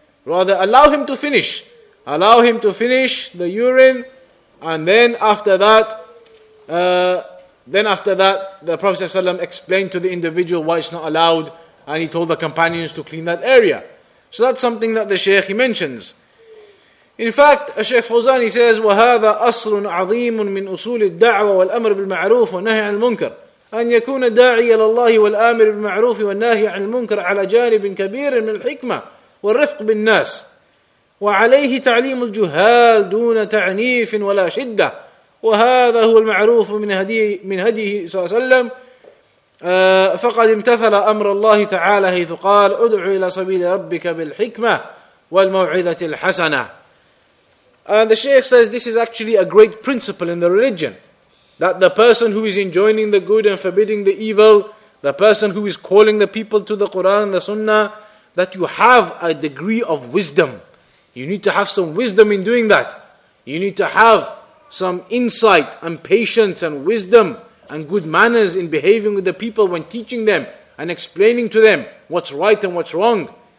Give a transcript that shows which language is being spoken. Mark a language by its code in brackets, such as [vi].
[en] Rather, allow him to finish. Allow him to finish the urine, and then after that, the Prophet ﷺ explained to the individual why it's not allowed, and he told the companions to clean that area. So that's something that the Shaykh, he mentions. In fact, Shaykh Fawzan, he says, [ar] وَهَذَا أَصْلٌ عَظِيمٌ مِنْ أُصُولِ الدَّعْوَ وَالْأَمْرِ بِالْمَعْرُوفِ وَنَهِي عَنِ الْمُنْكَرِ أَنْ يَكُونَ دَاعِيَ لَلَّهِ وَالْآمِرِ بِالْمَعْرُوفِ وَالنَّاهِي عَنِ الْمُنْكَرِ عَلَى جَانِبٍ كَبِيرٍ مِنْ الْحِكْمَةِ وَالرِّفْقِ بِالنَّاسِ وعليه تعليم الجهال دون تعنيف ولا شدة وهذا هو المعروف من هديه صلى الله عليه وسلم فقد امتثل أمر الله تعالى حيث قال ادع إلى سبيل ربك بالحكمة والموعظة الحسنة. [en] And the Shaykh says this is actually a great principle in the religion, that the person who is enjoining the good and forbidding the evil, the person who is calling the people to the Quran and the Sunnah, that you have a degree of wisdom. You need to have some wisdom in doing that. You need to have some insight and patience and wisdom and good manners in behaving with the people when teaching them and explaining to them what's right and what's wrong.